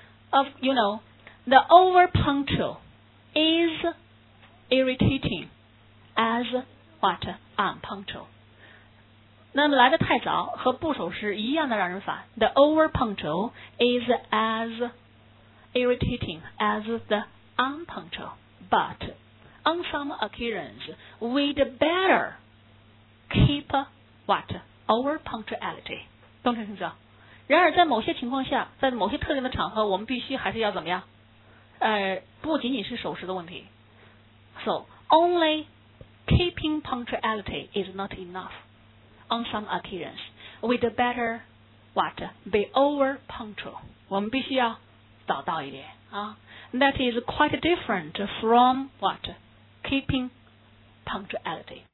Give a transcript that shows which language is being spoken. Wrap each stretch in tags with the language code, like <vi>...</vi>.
<en>Of, you know, the over punctual is irritating as what? Unpunctual.</en> <zh>那么来的太早和不守时一样的让人烦。</zh> <en>The over punctual is as irritating as the unpunctual. But on some occasions, we'd better keep what? Over punctuality.</en> <zh>懂这意思？然而在某些情况下，在某些特定的场合，我们必须还是要怎么样？不仅仅是守时的问题。</zh> <en>So only keeping punctuality is not enough. On some occasions, we'd better what? Be over punctual.</en> <zh>我们必须要早到一点啊。</zh> <en>That is quite different from what? Keeping punctuality.</en>